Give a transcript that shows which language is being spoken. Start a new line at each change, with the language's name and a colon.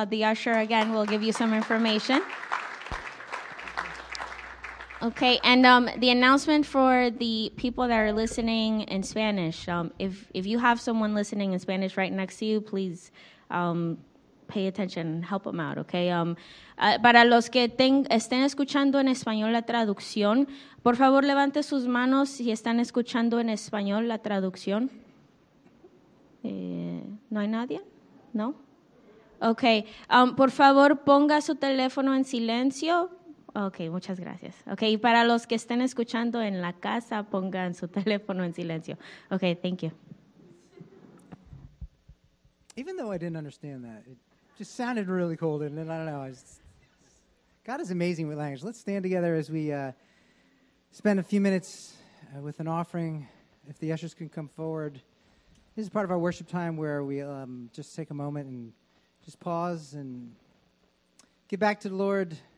English: The usher, again, will give you some information. Okay, and the announcement for the people that are listening in Spanish, if you have someone listening in Spanish right next to you, please pay attention and help them out, okay?
Spanish: Para los que estén escuchando en español la traducción, por favor levante sus manos si están escuchando en español la traducción. ¿No hay nadie? ¿No? Okay, por favor ponga su teléfono en silencio. Okay, muchas gracias. Okay, y para los que estén escuchando en la casa, pongan su teléfono en silencio.
English: Okay, thank you. Even though I didn't understand that, it just sounded really cool. And I don't know, God is amazing with language. Let's stand together as we spend a few minutes with an offering. If the ushers can come forward. This is part of our worship time where we just take a moment and just pause and get back to the Lord.